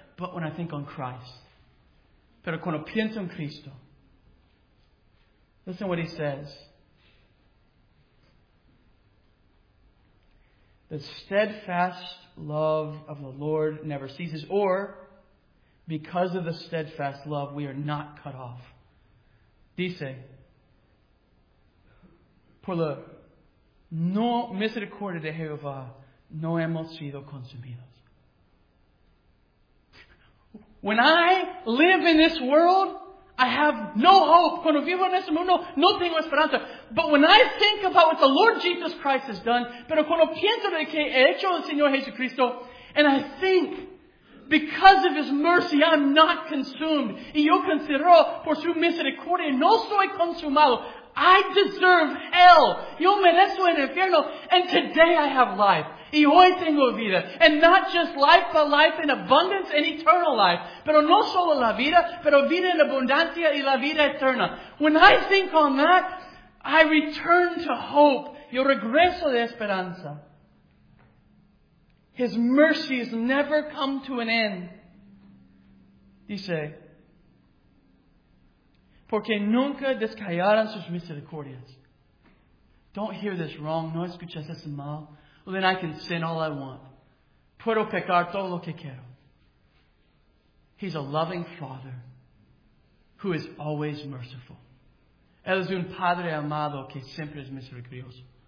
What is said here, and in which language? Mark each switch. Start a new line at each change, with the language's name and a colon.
English: But when I think on Christ,
Spanish: pero cuando pienso en Cristo,
English: listen what he says. The steadfast love of the Lord never ceases. Or, because of the steadfast love, we are not cut off.
Spanish: Dice, por la no misericordia de Jehová, no hemos sido consumidos.
English: When I live in this world, I have no hope.
Spanish: Cuando vivo en este mundo, no tengo esperanza.
English: But when I think about what the Lord Jesus Christ has done,
Spanish: pero cuando pienso de que ha hecho el Señor Jesucristo,
English: and I think, because of His mercy, I'm not consumed.
Spanish: Y yo considero, por su misericordia, no soy consumado.
English: I deserve hell.
Spanish: Yo merezco el infierno.
English: And today I have life.
Spanish: Y hoy tengo vida.
English: And not just life, but life in abundance and eternal life.
Spanish: Pero no solo la vida, pero vida en abundancia y la vida eterna.
English: When I think on that, I return to hope.
Spanish: Yo regreso de esperanza.
English: His mercy has never come to an end.
Spanish: Dice, porque nunca descayeran sus misericordias.
English: Don't hear this wrong.
Spanish: No escuches eso mal.
English: Well, then I can sin all I want.
Spanish: Puedo pecar todo lo que quiero.
English: He's a loving Father who is always merciful.
Spanish: Él es un Padre amado que siempre es misericordioso.